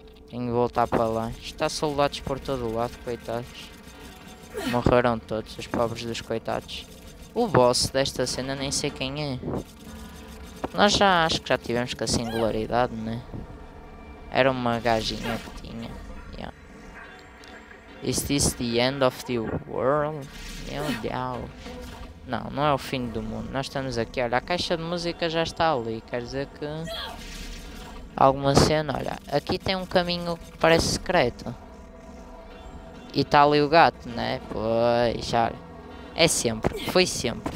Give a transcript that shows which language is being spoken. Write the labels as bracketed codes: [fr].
[pt] Tenho de voltar para lá. Está soldados por todo o lado, coitados. Morreram todos, os pobres dos coitados. O boss desta cena nem sei quem é. Nós já acho que já tivemos com a singularidade, né? Era uma gajinha que tinha. [en] Yeah. Is this the end of the world? [pt] Meu Deus. Não, não é o fim do mundo. Nós estamos aqui, olha, a caixa de música já está ali. Quer dizer que... Alguma cena, olha. Aqui tem um caminho que parece secreto. E está ali o gato, né? Pois, já. É sempre, foi sempre.